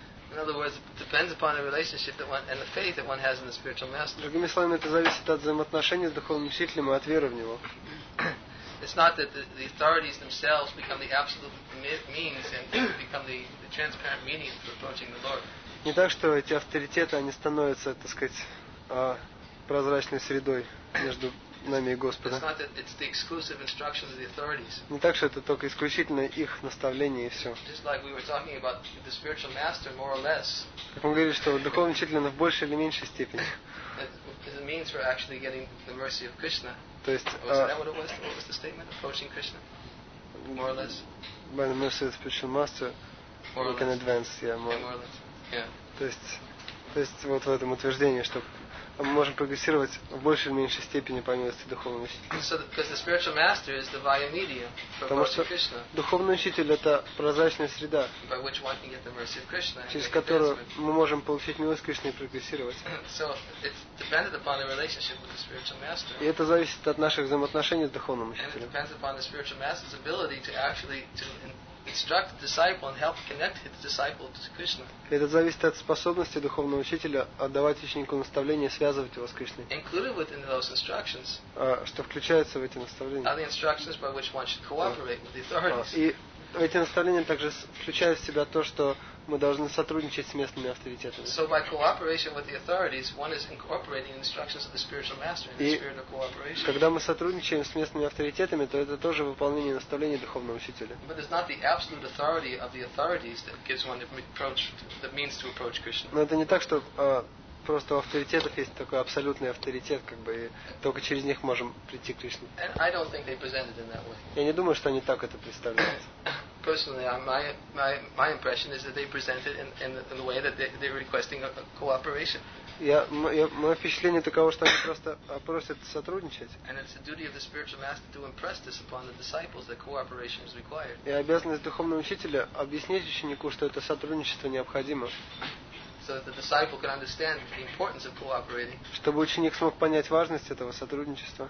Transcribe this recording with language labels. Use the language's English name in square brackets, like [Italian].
[English] In other words, it depends upon the relationship that one and the faith that one has in the spiritual master. [Russian] Другими словами, это зависит от взаимоотношений с духовным учителем и от веры в него. [English] It's not that the authorities themselves become the absolute means and become the transparent meaning for approaching the Lord. [Russian] Не так, что эти авторитеты они становятся, так сказать, прозрачной средой между нами и Господом. [English] It's not that it's the exclusive instructions of the authorities. [Russian] Не так, что это только исключительно их наставление и все. [English] Just like we were talking about the spiritual master, more or less. [Russian] Как мы говорили, что духовный учитель в большей или меньшей степени. [English] It's a means for actually getting the mercy of Krishna. [Russian] То есть, [English] was the statement approaching Krishna? More or less. By the mercy of the spiritual master, more we can advance. Yeah, more. Yeah, more or less. Yeah. [Russian] То есть, вот в этом утверждении, что мы можем прогрессировать в большей или меньшей степени по милости духовного учителя. [English] Because the spiritual master is the via media for approaching Krishna. [Russian] Духовный учитель это прозрачная среда, [English] by which one can get the mercy of Krishna, [Russian] через которую мы можем получить милость Кришны и прогрессировать. [English] So it's dependent upon the relationship with the spiritual master. [Russian] И это зависит от наших взаимоотношений с духовным учителем. [English] And it depends upon the spiritual master's ability to actually to instruct the disciple and help connect the disciple to Krishna. [Russian] Это зависит от способности духовного учителя отдавать ученику наставления, связывать его с Кришной. [English] Included within those instructions. [Russian] Что включается в эти наставления? [English] Are the instructions by which one should cooperate with the authorities. [Russian] И эти наставления также включают в себя то, что мы должны сотрудничать с местными авторитетами. [English] So by cooperation with the authorities, one is incorporating instructions of the spiritual master in the spirit of cooperation. [Russian] Когда мы сотрудничаем с местными авторитетами, то это тоже выполнение наставлений духовного учителя. [English] But it's not the absolute authority of the authorities that gives one the means to approach Krishna. [Russian] Но это не так, что просто у авторитетов есть такой абсолютный авторитет, как бы, и только через них можем прийти к Кришне. [English] And I don't think they present it in that way. [Russian] Я не думаю, что они так это представляют. [English] Personally, my impression is that they present it in the way that they're requesting a cooperation. [Russian] Мое впечатление таково, что они просто просят сотрудничать. [English] And it's the duty of the spiritual master to impress this upon the disciples that cooperation is required. [Russian] И обязанность духовного учителя объяснить ученику, что это сотрудничество необходимо. [English] So that the disciple can understand the importance of cooperating. [Russian] Чтобы ученик смог понять важность этого сотрудничества.